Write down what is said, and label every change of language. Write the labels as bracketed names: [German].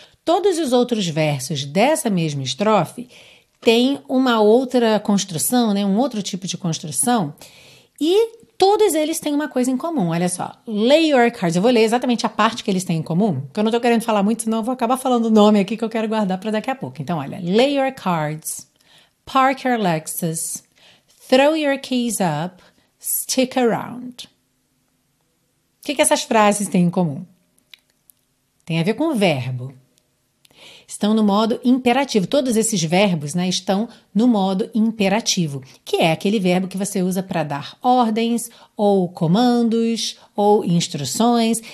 [Portuguese] Todos os outros versos dessa mesma estrofe têm uma outra construção, né? Um outro tipo de construção, e todos eles têm uma coisa em comum, olha só. [English] Lay your cards. [Portuguese] Eu vou ler exatamente a parte que eles têm em comum, porque eu não estou querendo falar muito, senão eu vou acabar falando o nome aqui que eu quero guardar para daqui a pouco. Então, olha. [English] Lay your cards, park your Lexus, throw your keys up, stick around. [Portuguese] O que essas frases têm em comum? Tem a ver com o verbo. Estão no modo imperativo. Todos esses verbos, né, estão no modo imperativo, que é aquele verbo que você usa para dar ordens, ou comandos, ou instruções.